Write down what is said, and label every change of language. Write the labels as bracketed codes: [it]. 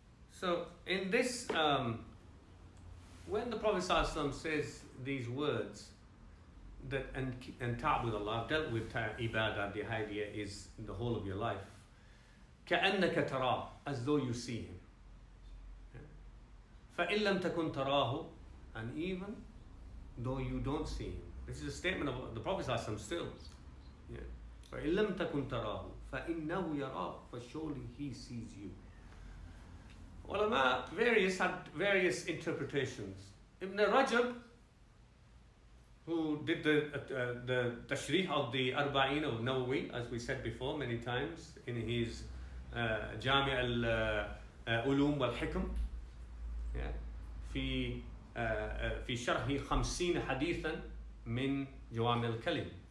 [en] So in this, when the Prophet ﷺ says these words, that and ta'bud Allah, I've dealt with ibadah, the idea is the whole of your life, ka'annaka tara, as though you see him. [ar] فَإِن لَمْ تَكُنْ تَرَاهُ, [en] and even though you don't see him. This is a statement of the Prophet ﷺ still. [ar] فَإِن لَمْ تَكُنْ تَرَاهُ فَإِنَّهُ يَرَاهُ, [en] for surely he sees you. Ulama various had various interpretations. Ibn Rajab, who did the tashrih of the Arba'een of Nawawi, as we said before many times in his Jami' al Ulum wal Hikam, fi sharhi 50 hadithan min Jawami al Kalim.